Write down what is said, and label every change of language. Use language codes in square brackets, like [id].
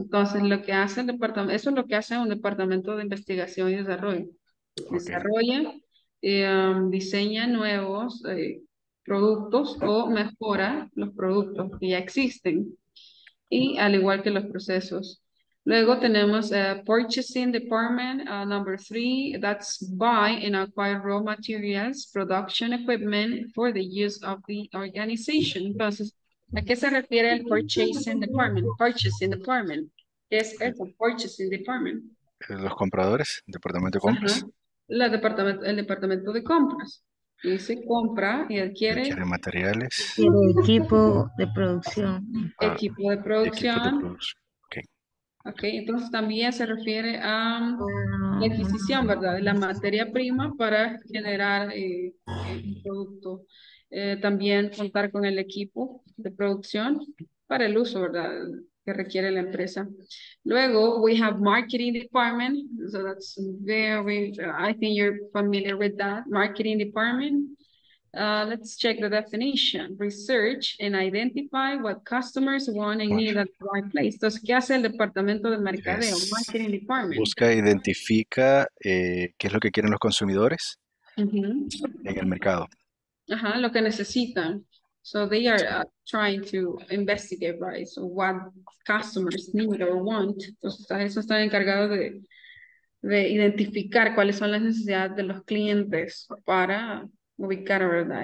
[es] Entonces, lo que hace el departamento, eso es lo que hace un departamento de investigación y desarrollo. Desarrolla, diseña nuevos productos o mejora los productos que ya existen y al igual que los procesos. Luego tenemos [en] purchasing department, number three, that's buy and acquire raw materials, production equipment for the use of the organization. [es] Entonces, ¿a qué se refiere el purchasing department? Purchasing department. ¿Qué es eso? Purchasing department. Los compradores, departamento de compras. Uh-huh. El departamento de compras. Y se compra y adquiere materiales. Y equipo de producción. Equipo de producción. [en] Okay, [es] entonces también se refiere a la adquisición, ¿verdad? La materia prima para generar el producto. También contar con el equipo de producción para el uso, ¿verdad? Que requiere la empresa. Luego, we have marketing department. [en] So that's very, I think you're familiar with that. Marketing department. Let's check the definition. Research and identify what customers want and need at the right place. [es] Entonces, ¿qué hace el departamento de mercadeo? Yes. Marketing department. Busca, identifica qué es lo que quieren los consumidores en el mercado. Ajá, lo que necesitan. [en] So they are trying to investigate, right? So what customers need or want. [es] Entonces, eso está encargado de identificar cuáles son las necesidades de los clientes para ubicar, ¿verdad?